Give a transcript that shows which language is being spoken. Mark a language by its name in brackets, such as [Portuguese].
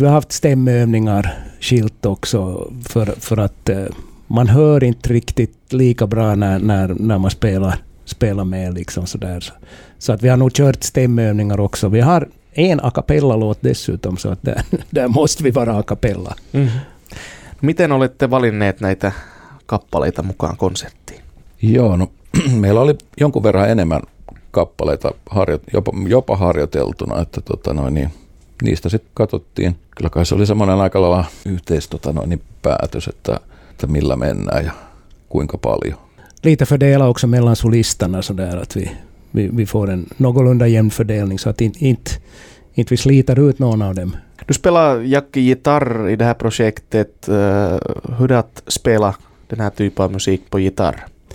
[Swedish] Vi har haft stämmövningar skilt också för att man hör inte riktigt lika bra när man spelar med liksom sådär. Så att vi har nog kört stämmövningar också. Vi har en a cappella-låt dessutom, så att där måste vi vara a cappella. Mm. [Finnish] Miten olette valinneet näitä kappaleita mukaan konserttiin? Joo, no meillä oli jonkun verran enemmän kappaleita jopa harjoiteltuna, että niistä sitten katsottiin. Kyllä kai se oli semmoinen aika lailla yhteis päätös, että millä mennään ja kuinka paljon. [Swedish] Lite fördela också mellan solistarna så där att vi får en någorlunda jämn fördelning, så att inte vi sliter ut någon av dem. Du spelar Jacki gitarr i det här projektet. Hur det är att spela den här typen av musik på gitarr?